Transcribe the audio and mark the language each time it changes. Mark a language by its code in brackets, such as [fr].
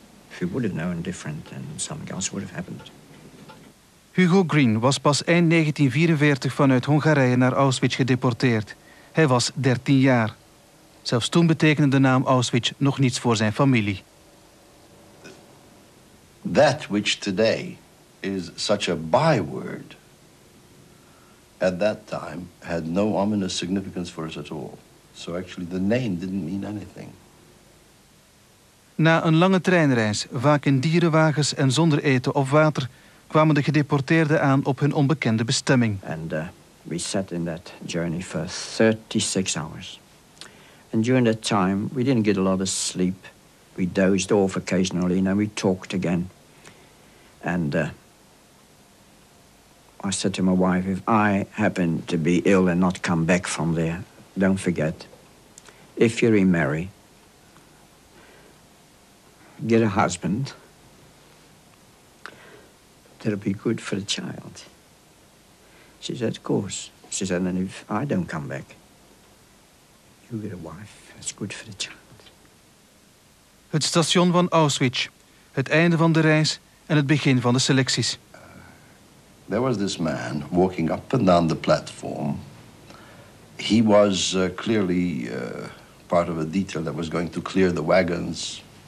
[en] If we would have known different, then something else would have happened. [nl] Hugo Green was pas eind 1944 vanuit Hongarije naar Auschwitz gedeporteerd. Hij was 13 jaar. Zelfs toen betekende de naam Auschwitz nog niets voor zijn familie. [en] That which today is such a byword at that time had no ominous significance for us at all. So actually the name didn't mean anything. [nl] Na een lange treinreis, vaak in dierenwagens en zonder eten of water, kwamen de gedeporteerden aan op hun onbekende bestemming. [en] And we sat in that journey for 36 hours. And during that time we didn't get a lot of sleep. We dozed off occasionally and we talked again. And I said to my wife, if I happen to be ill and not come back from there, don't forget, if you remarry, get a husband, that'll be good for the child. She said, of course. She said, and if I don't come back, you get a wife, that's good for the child. [nl] Het station van Auschwitz, het einde van de reis en het begin van de selecties. [en] There was this man walking up and down the platform. He was clearly part of a detail that was going to clear the wagons.